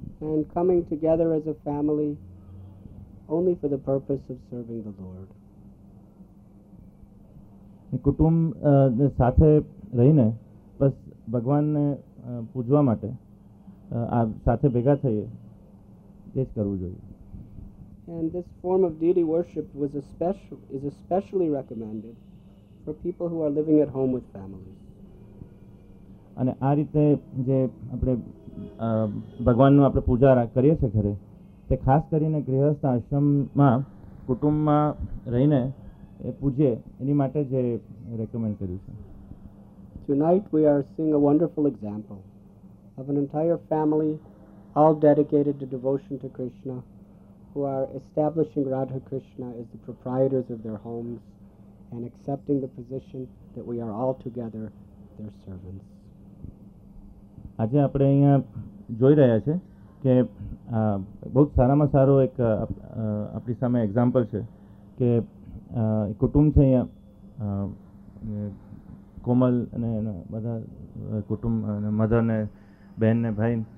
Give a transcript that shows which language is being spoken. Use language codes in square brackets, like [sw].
[en] And coming together as a family only for the purpose of serving the lord. [gu] કુટુંબ સાથે રહીને બસ ભગવાનને પૂજવા માટે આ સાથે ભેગા થઈએ તે જ કરવું જોઈએ. [en] And this form of deity worship is especially recommended for people who are living at home with families. [gu] અને આ રીતે જે આપણે ભગવાનનું આપણે પૂજા કરીએ છીએ ઘરે તે ખાસ કરીને ગૃહસ્થ આશ્રમમાં કુટુંબમાં રહીને એ પૂજે એની માટે જે રેકમેન્ડ કર્યું છે. [en] Tonight we are seeing a wonderful example of an entire family all dedicated to devotion to Krishna, who are establishing Radha Krishna as the proprietors of their homes and accepting the position that we are all together their servants. [gu] આજે આપણે અહીંયા જોઈ રહ્યા છે કે બહુ સારામાં સારો એક આપણી સામે એક્ઝામ્પલ છે કે કુટુંબ છે અહીંયા કોમલ અને બધા કુટુંબ અને મધર ને બહેન ને ભાઈ